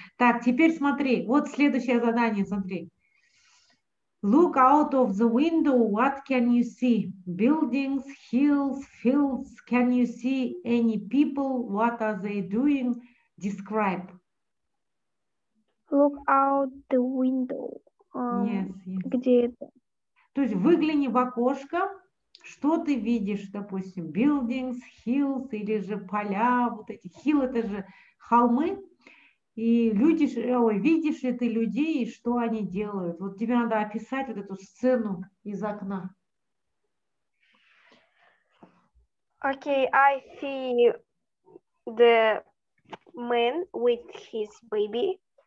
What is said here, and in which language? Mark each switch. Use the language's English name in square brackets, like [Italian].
[Russian] Так, теперь смотри, вот следующее задание, смотри. [English] Look out of the window, what can you see? Buildings, hills, fields, can you see any people? What are they doing? Describe. Look out the window. Yes. [Russian] Где это? То есть выгляни в окошко. Что ты видишь, допустим, [English] buildings, hills [Russian] или же поля, вот эти [English] hill [Russian] это же холмы. И люди, видишь ли ты людей и что они делают? Вот тебе надо описать вот эту сцену из окна. [English] Okay, I see the man with his baby.